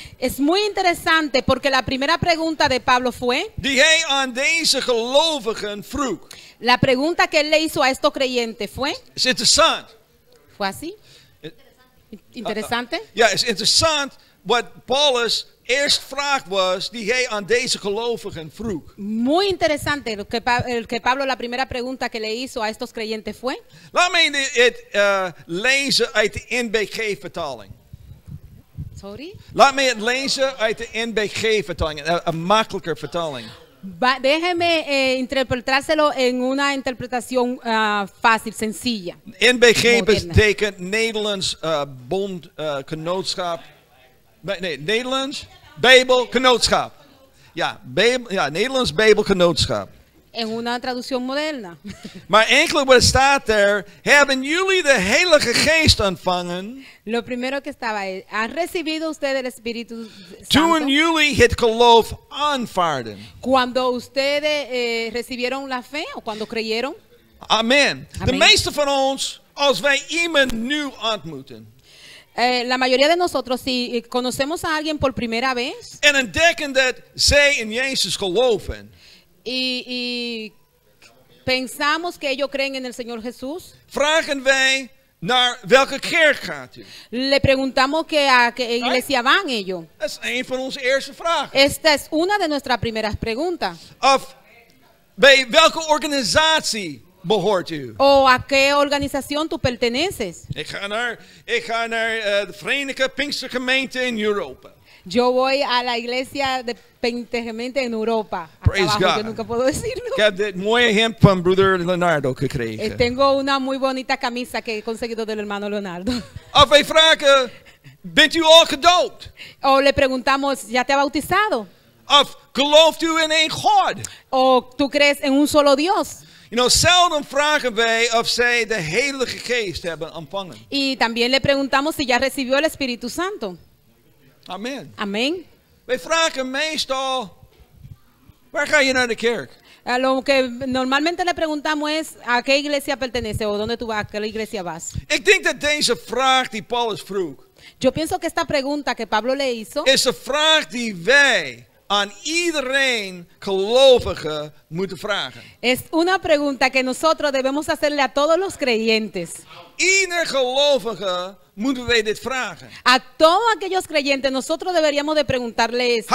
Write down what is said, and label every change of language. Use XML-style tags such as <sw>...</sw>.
<es>Es muy interesante porque la primera pregunta de Pablo fue.</es> <nl>Die hij aan deze gelovigen vroeg.</nl> <es>La pregunta que él le hizo a estos creyentes fue.</es> <en>It's interesting.</en> <es>Fue así. Interessante?</es> <nl>Ja, is interessant wat Paulus eerst vraag was die hij aan deze gelovigen vroeg.</nl> <es>Muy interesante lo que Pablo la primera pregunta que le hizo a estos creyentes fue.</es> <nl>Laat me het lezen uit de NBG vertaling.</nl> <en>Sorry?</en> <nl>Laat me het lezen uit de NBG vertaling, een makkelijker vertaling.</nl> <es>Déjeme interpretárselo en una interpretación fácil, sencilla.</es> <nl>NBG betekent Nederlands Bond Genootschap. Nee, Nederlands Bijbel Genootschap. Ja, Nederlands Bijbel Genootschap.</nl> <es>En una traducción moderna.</es> <nl>Maar eigenlijk wat staat er, hebben jullie de Heilige Geest ontvangen?</nl> <es>Lo primero que estaba es, ¿han recibido ustedes el Espíritu Santo?</es> <nl>Toen jullie het geloof aanvaarden.</nl> <es>Cuando ustedes recibieron la fe o cuando creyeron. Amen.</es> <nl>De meeste van ons, als wij iemand nieuw ontmoeten.</nl> <es>La mayoría de nosotros, si conocemos a alguien por primera vez.</es> <nl>En ontdekken dat zij in Jezus geloven.</nl> <es>Y pensamos que ellos creen en el Señor Jesús.</es> <nl>Vragen wij naar welke kerk gaat u?</nl> <es>Le preguntamos que a qué iglesia van ellos.</es> <nl>Dat is een van onze eerste vragen.</nl> <es>Esta es una de nuestras primeras preguntas.</es> <nl>Of bij welke organisatie behoort u?</nl> <es>O a qué organización tú perteneces?</es> <nl>Ik ga naar de Verenigde Pinkstergemeente in Europa.</nl> <es>Yo voy a la iglesia de Pentecostés en Europa.</es> <en>Praise</en> <es>abajo,</es> <en>God.</en> <es>Yo nunca puedo decirlo.</es> <nl>Ik heb dit mooie hemd van broeder Leonardo gekregen.</nl> <es>Tengo una muy bonita camisa que he conseguido del hermano Leonardo.</es> <nl>Of wij vragen, bent u al gedoopt?</nl> <es>O le preguntamos, ¿ya te ha bautizado?</es> <nl>Of gelooft u in één God?</nl> <es>O tú crees en un solo Dios?</es> <en>You know,</en> <nl>zelden vragen wij of zij de Heilige Geest hebben ontvangen.</nl> <es>Y también le preguntamos si ya recibió el Espíritu Santo. Amen. Amen.</es> <nl>Wij vragen meestal, waar ga je naar de kerk?</nl> <es>Lo que normalmente le preguntamos es a qué iglesia pertenece o dónde tú vas, a qué iglesia vas.</es> <nl>Ik denk dat deze vraag die Paulus vroeg.</nl> <es>Yo pienso que esta pregunta que Pablo le hizo. Es una</es> <nl>vraag die wij aan iedereen gelovige moeten vragen.</nl> <es>Es una pregunta que nosotros debemos hacerle a todos los creyentes.</es> <nl>Ieder gelovige moeten wij dit vragen.</nl> <es>A todos aquellos creyentes nosotros deberíamos de preguntarle esto.</es>